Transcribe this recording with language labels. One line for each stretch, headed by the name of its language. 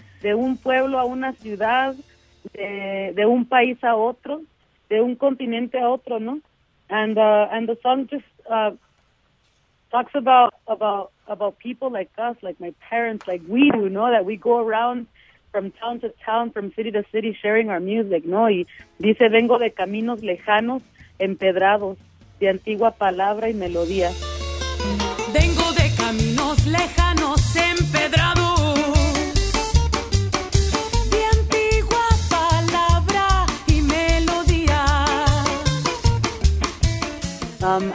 Spanish: De un pueblo a una ciudad, de un país a otro, de un continente a otro, ¿no?
English: And the song just talks about people like us, like my parents, like we do, ¿no? That we go around from town to town, from city to city, sharing our music, ¿no?
Spanish: Y dice, vengo de caminos lejanos, empedrados, de antigua palabra y melodía. Vengo de caminos lejanos empedrados, de antigua palabra y melodía.